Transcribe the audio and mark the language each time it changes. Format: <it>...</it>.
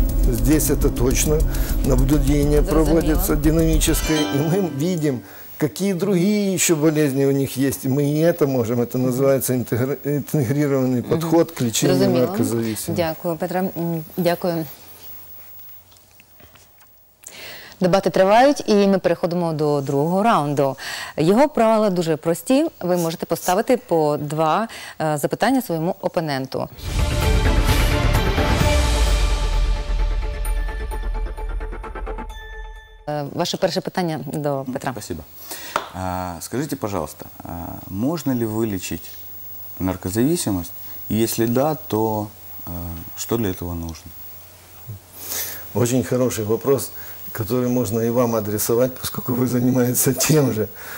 <ru>Здесь это точно. Наблюдение проводится динамическое. И мы видим, какие другие еще болезни у них есть. Мы и это можем. Это называется интегрированный подход к лечению наркозависимости.</ru> <uk>Дякую, Петро. Дякую. Дебати тривають, і ми переходимо до другого раунду. Його правила дуже прості. Ви можете поставити по два запитання своєму опоненту. Ваше перше питання до Петра.</uk> <ru>Спасибо. Скажите, пожалуйста, можно ли вылечить наркозависимость? Если да, то что для этого нужно? Очень хороший вопрос, который можно и вам адресовать, поскольку вы занимаетесь тем же.</ru>